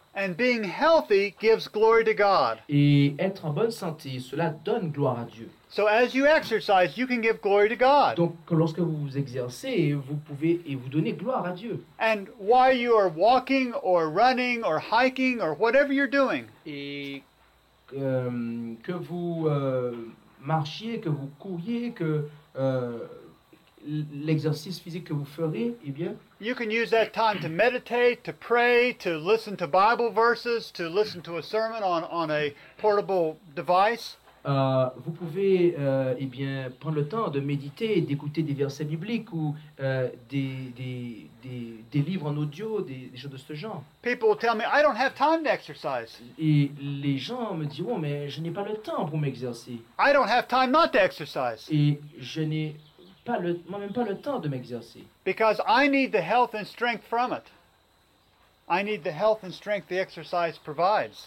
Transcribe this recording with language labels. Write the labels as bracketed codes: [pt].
[en] And being healthy gives glory to God. [fr] Et être en bonne santé, cela donne gloire à Dieu. [en] So as you exercise, you can give glory to God. [fr] Donc lorsque vous vous exercez, vous pouvez et vous donnez gloire à Dieu. [en] And while you are walking or running or hiking or whatever you're doing. [fr] Et que vous marchiez, que vous couriez, que l'exercice physique que vous ferez, eh bien, [en] you can use that time to meditate, to pray, to listen to Bible verses, to listen to a sermon on a portable device. [fr] Vous pouvez eh bien prendre le temps de méditer, d'écouter des versets bibliques ou des livres en audio, des choses de ce genre. [en] People tell me I don't have time to exercise. [fr] Et les gens me diront mais je n'ai pas le temps pour m'exercer. [en] I don't have time not to exercise. [fr] Et je n'ai moi-même pas le temps de m'exercer. [en] Because I need the health and strength from it. I need the health and strength the exercise provides.